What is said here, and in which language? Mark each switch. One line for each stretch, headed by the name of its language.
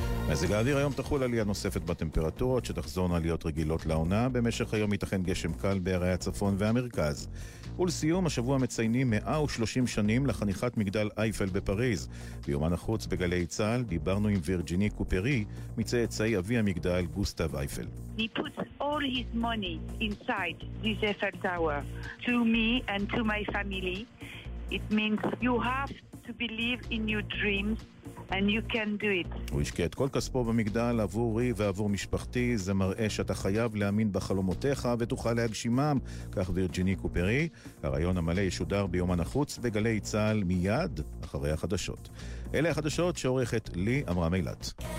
Hebrew: מזג האוויר היום תחול עלייה נוספת בטמפרטורות שתחזורנה להיות רגילות לעונה. במשך היום ייתכן גשם קל בערי הצפון והמרכז. ולסיום, השבוע מציינים 130 שנים לחניכת מגדל אייפל בפריז. ביומן החוץ בגלי צהל דיברנו עם וירג'יני קופרי, מצאצאי אבי המגדל גוסטב אייפל.
English: He puts all his money inside this Eiffel Tower. To me and to my family, it means you have to believe in your dreams. And you can do it.
Hebrew: הוא השקיע את כל כספו במגדל עבורי ועבור משפחתי. זה מראה שאתה חייב להאמין בחלומותיך ותוכל להגשימם, כך וירג'יני קופרי. הרעיון המלא ישודר ביומן החוץ בגלי צהל מיד אחרי החדשות. אלה החדשות שעורכת לי אמרה מילת.